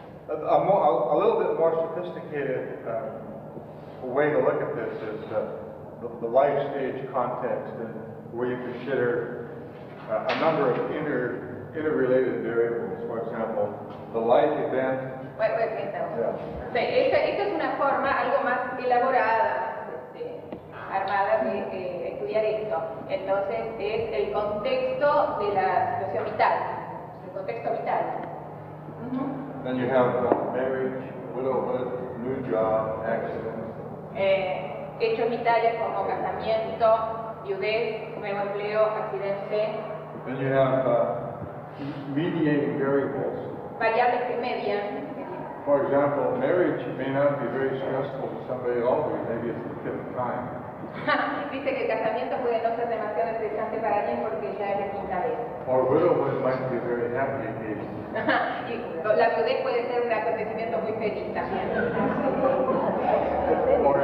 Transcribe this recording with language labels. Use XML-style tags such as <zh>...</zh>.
<en>a little bit more sophisticated way to look at this is the life stage context, and where you consider a number of interrelated variables. For example, the life event. Wait.</en> <es>Yeah. Sí, esta es una forma algo más elaborada, armada de estudiar esto. Entonces es el contexto de la situación vital, el contexto vital. Mm-hmm.</es> <en>Then you have marriage, widowhood, new job, accident.</en> <es>Hechos vitales como casamiento, viudez, nuevo empleo, accidente.</es> <en>Then you have mediating variables.</en> <es>Variables que median.</es> <en>For example, marriage may not be very stressful to somebody at all, but maybe it's the fifth time.</en> <es>Dice que el casamiento puede no ser demasiado estresante para alguien porque ya es la quinta vez.</es> <en>Or widowhood might be a very happy occasion.</en> <es>La viudez puede ser un acontecimiento muy feliz también.</es>